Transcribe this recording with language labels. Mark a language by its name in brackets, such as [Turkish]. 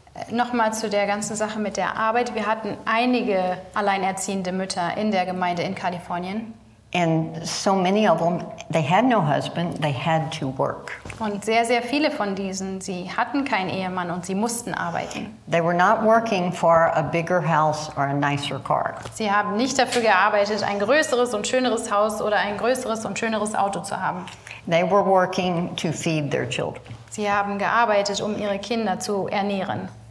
[German] Nochmal zu der ganzen Sache mit der Arbeit. Wir hatten einige alleinerziehende Mütter in der Gemeinde in Kalifornien. [English] And so many of them, they had no husband, they had to work. [German] Und sehr, sehr viele von diesen, sie hatten keinen Ehemann und sie mussten arbeiten. [English] They were not working for a bigger house or a nicer car. [German] Sie haben nicht dafür gearbeitet, ein größeres und schöneres Haus oder ein größeres und schöneres Auto zu haben. [English] They were working to feed their children. [German] Sie haben gearbeitet, um ihre Kinder zu ernähren.